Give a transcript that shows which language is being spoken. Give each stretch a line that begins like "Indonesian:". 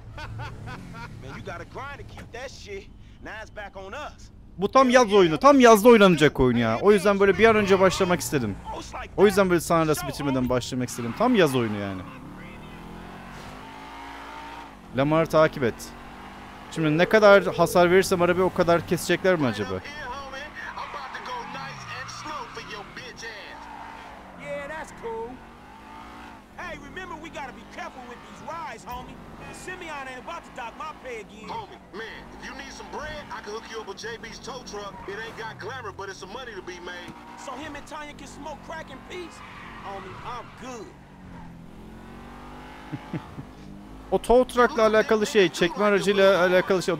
English: Man, you gotta grind to keep that shit. Now it's back on us.
Turkish: Bu tam yaz oyunu. Tam yazda oynanacak oyun ya. O yüzden böyle bir an önce başlamak istedim. O yüzden böyle sanrısı bitirmeden başlamak istedim. Tam yaz oyunu yani. Lamar'ı takip et. Şimdi ne kadar hasar verirsem arabayı o kadar kesecekler mi acaba?
English: Yeah, that's cool. Hey, remember we gotta be careful with these rides, homie. Simeon ain't about to dock my pay again. Homie, man, if you need some bread, I can hook you up with JB's tow truck. It ain't got glamour, but it's some money to be made. So him and Tanya can smoke crack in peace? Homie, I'm good.
Turkish: O tow truck'la alakalı şey, çekme aracıyla alakalı şey.